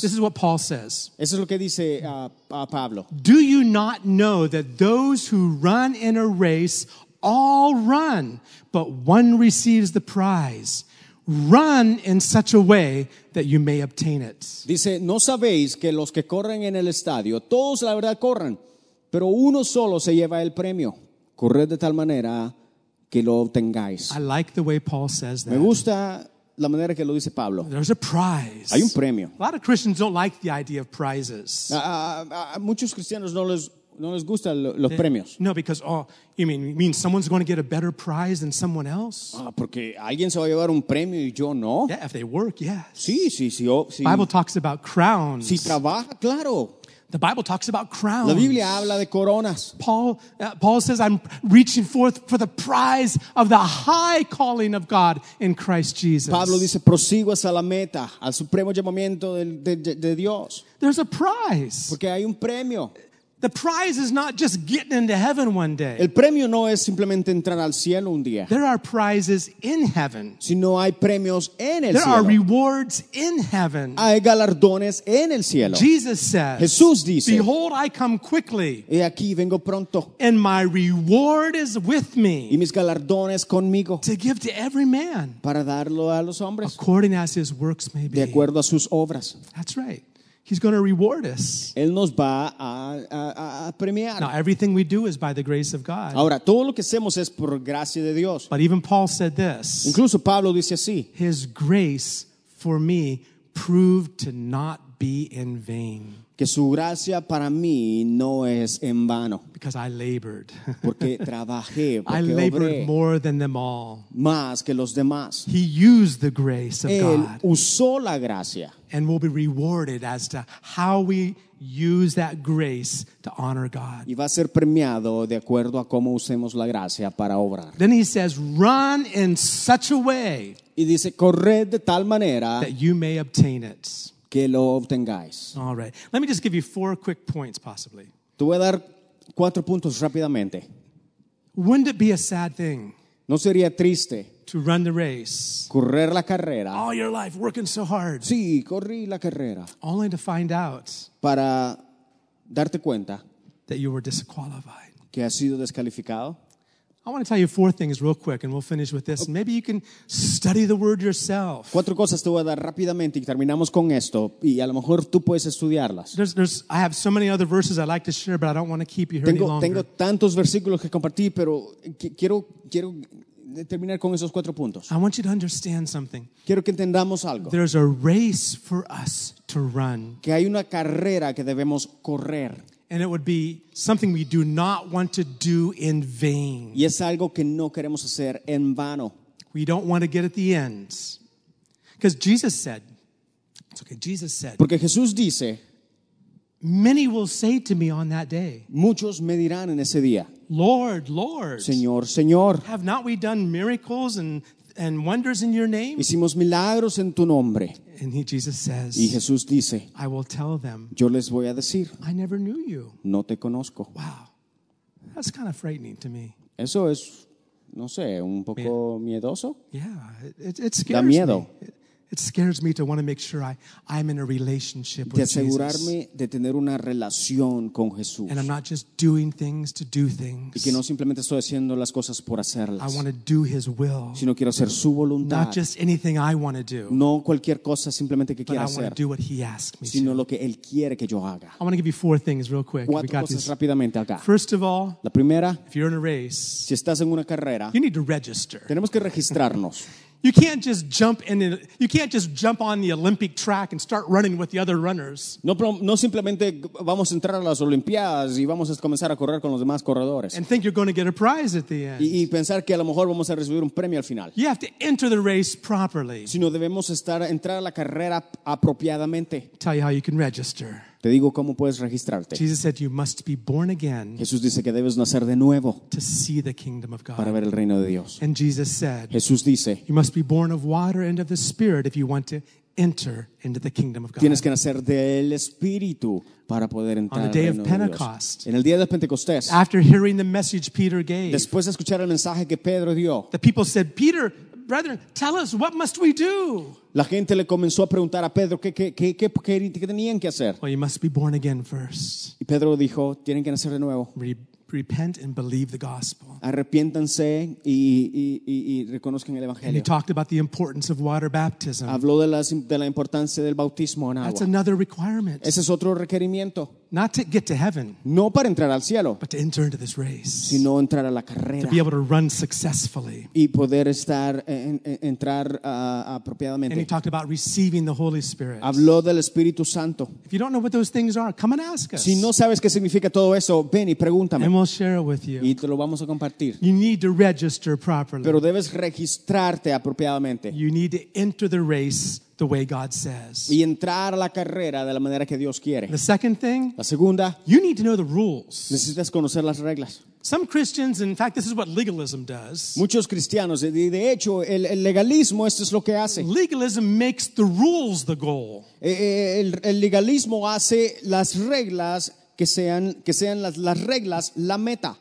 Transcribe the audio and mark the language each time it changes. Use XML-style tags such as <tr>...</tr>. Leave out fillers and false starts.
<en>This is what Paul says.</en> <es>Eso es lo que dice a Pablo.</es> <en>Do you not know that those who run in a race all run, but one receives the prize. Run in such a way that you may obtain it.</en> <es>Dice, ¿no sabéis que los que corren en el estadio, todos la verdad corren, pero uno solo se lleva el premio? Corred de tal manera que lo obtengáis.</es> <en>I like the way Paul says that.</en> <es>Me gusta la manera que lo dice Pablo.</es> <en>There's a prize.</en> <es>Hay un premio.</es> <en>A lot of Christians don't like the idea of prizes.</en> <es>Muchos cristianos no les gusta los premios.</es> <en>No, because you mean someone's going to get a better prize than someone else?</en> <es>Porque alguien se va a llevar un premio y yo no.</es> <en>Yeah, if they work, yes.</en> <es>Sí.</es> <en>The Bible talks about crowns.</en> <es>Si trabaja, claro.</es> <en>The Bible talks about crowns.</en> <es>La Biblia habla de coronas.</es> <en>Paul says, I'm reaching forth for the prize of the high calling of God in Christ Jesus.</en> <es>Pablo dice, prosigo hacia la meta, al supremo llamamiento de Dios.</es> <en>There's a prize.</en> <es>Porque hay un premio.</es> <en>The prize is not just getting into heaven one day.</en> <es>El premio no es simplemente entrar al cielo un día.</es> <en>There are prizes in heaven.</en> <es>Sino hay premios en el</es> <en>there</en> <es>cielo.</es> <en>Are rewards in heaven.</en> <es>Hay galardones en el cielo.</es> <en>Jesus says,</en> <es>Jesús dice,</es> <en>behold, I come quickly.</en> <es>He aquí, vengo pronto.</es> <en>And my reward is with me.</en> <es>Y mis galardones conmigo.</es> <en>To give to every man.</en> <es>Para darlo a los hombres.</es> <en>According as his works may be.</en> <es>De acuerdo a sus obras.</es> <en>That's right. He's going to reward us.</en> <es>Él nos va a premiar.</es> <en>Now everything we do is by the grace of God.</en> <es>Ahora todo lo que hacemos es por gracia de Dios.</es> <en>But even Paul said this.</en> <es>Incluso Pablo dice así.</es> <en>His grace for me proved to not be in vain.</en> <es>Que su gracia para mí no es en vano.</es> <en>Because I labored.</en> <es>Porque trabajé, porque</es> <en>I labored more than them all.</en> <es>Más que los demás.</es> <en>He used the grace of</en> <es>Él</es> <en>God.</en> <es>Usó la gracia.</es> <en>And will be rewarded as to how we use that grace to honor God.</en> <es>Y va a ser premiado de acuerdo a cómo usemos la gracia para obrar.</es> <en>Then he says, run in such a way.</en> <es>Y dice, corred de tal manera.</es> <en>That you may obtain it.</en> <es>Que lo obtengáis.</es> <en>All right. Let me just give you four quick points, possibly.</en> <es>Te voy a dar cuatro puntos rápidamente.</es> <en>Wouldn't it be a sad thing?</en> <es>No sería triste.</es> <en>To run the race.</en> <es>Correr la carrera.</es> <en>All your life working so hard.</en> <es>Sí, corrí la carrera.</es> <en>Only to find out.</en> <es>Para darte cuenta.</es> <en>That you were disqualified.</en> <es>Que has sido descalificado.</es> <en>I want to tell you four things real quick, and we'll finish with this. Maybe you can study the word yourself.</en> <es>Cuatro cosas te voy a dar rápidamente y terminamos con esto, y a lo mejor tú puedes estudiarlas.</es> <en>I have so many other verses I'd like to share, but I don't want to keep you here</en> <es>tengo,</es> <en>any longer.</en> <es>Tengo tantos versículos que compartir, pero quiero terminar con esos cuatro puntos.</es> <en>I want you to understand something.</en> <es>Quiero que entendamos algo.</es> <en>There's a race for us to run.</en> <es>Que hay una carrera que debemos correr.</es> <en>And it would be something we do not want to do in vain.</en> <es>Y es algo que no queremos hacer en vano.</es> <en>We don't want to get at the end. Because Jesus said, it's okay, Jesus said,</en> <es>porque Jesús dice,</es> <en>many will say to me on that day,</en> <es>muchos me dirán en ese día,</es> <en>Lord, Lord,</en> <es>Señor, Señor,</es> <en>have not we done miracles and wonders in your name?</en> <es>Hicimos milagros en tu nombre.</es> <en>And Jesus says,</en> <es>y Jesús dice,</es> <en>I will tell them,</en> <es>yo les voy a decir,</es> <en>I never knew you.</en> <es>No te conozco.</es> <en>Wow. That's kind of frightening to me.</en> <es>Eso es, no sé, un poco miedoso.</es> <en>Yeah, it scares me.</en> <es>Da miedo.</es> <en>It scares me to want to make sure I'm in a relationship with</en> <es>De asegurarme de tener una relación con Jesús.</es> <en>And I'm not just doing things to do things.</en> <es>Y que no simplemente estoy haciendo las cosas por hacerlas.</es> <en>I want to do His will.</en> <es>Sino quiero hacer su voluntad.</es> <en>Not just anything I want to do.</en> <es>No cualquier cosa simplemente que quiera hacer.</es> <en>But I want to do what He asks me to.</en> <es>Sino lo que Él quiere que yo haga.</es> <en>I want to give you four things real quick.</en> <es>Cuatro cosas</es> <en>these.</en> <es>Rápidamente acá.</es> <en>First of all,</en> <es>la primera,</es> <en>if you're in a race,</en> <es>si estás en una carrera,</es> <en>you need to register.</en> <es>Tenemos que registrarnos.</es> <en>You can't just jump in. You can't just jump on the Olympic track and start running with the other runners.</en> <es>No simplemente vamos a entrar a las Olimpiadas y vamos a comenzar a correr con los demás corredores.</es> <en>And think you're going to get a prize at the end.</en> <es>Y pensar que a lo mejor vamos a recibir un premio al final.</es> <en>You have to enter the race properly.</en> <es>Sino debemos estar entrar a la carrera apropiadamente.</es> <en>Tell you how you can register.</en> <es>Te digo cómo puedes registrarte.</es> <en>Jesus said you must be born again.</en> <es>Jesús dice que debes nacer de nuevo.</es> <en>To see the kingdom of God.</en> <es>Para ver el reino de Dios.</es> <en>And Jesus said.</en> <es>Jesús dice.</es> <en>You must be born of water and of the Spirit if you want to enter into the kingdom of God.</en> <es>Tienes que nacer del Espíritu para poder entrar al reino de Dios.</es> <en>On the day of Pentecost.</en> <es>En el día de Pentecostés.</es> <en>After hearing the message Peter gave.</en> <es>Después de escuchar el mensaje que Pedro dio.</es> <en>The people said, Peter, brethren, tell us what must we do.</en> <es>La gente le comenzó a preguntar a Pedro qué tenían que hacer.</es> <en>Well, you must be born again first.</en> <es>Y Pedro dijo, tienen que nacer de nuevo.</es> <en>Repent and believe the gospel.</en> <es>Arrepiéntanse y reconozcan el evangelio.</es> <en>And he talked about the importance of water baptism.</en> <es>Habló de la importancia del bautismo en agua.</es> <en>That's another requirement.</en> <es>Ese es otro requerimiento.</es> <en>Not to get to heaven.</en> <es>No para entrar al cielo.</es> <en>But to enter into this race.</en> <es>Sino entrar a la carrera.</es> <en>To be able to run successfully.</en> <es>Y poder estar entrar apropiadamente.</es> <en>And he talked about receiving the Holy Spirit.</en> <es>Habló del Espíritu Santo.</es> <en>If you don't know what those things are, come and ask us.</en> <es>Si no sabes qué significa todo eso, ven y pregúntame.</es> <en>And we'll share it with you.</en> <es>Y te lo vamos a compartir.</es> <en>You need to register properly.</en> <es>Pero debes registrarte apropiadamente.</es> <en>You need to enter the race the way God says.</en> <es>Y entrar a la carrera de la manera que Dios quiere.</es> <en>The second thing,</en> <es>la segunda,</es> <en>you need to know the rules.</en> <es>Necesitas conocer las reglas.</es> <en>Some Christians, in fact, this is what legalism does.</en> <es>Muchos cristianos, de hecho, el legalismo, esto es lo que hace.</es> <en>Legalism makes the rules the goal.</en> <es>El legalismo hace las reglas que sean las reglas la meta.</es>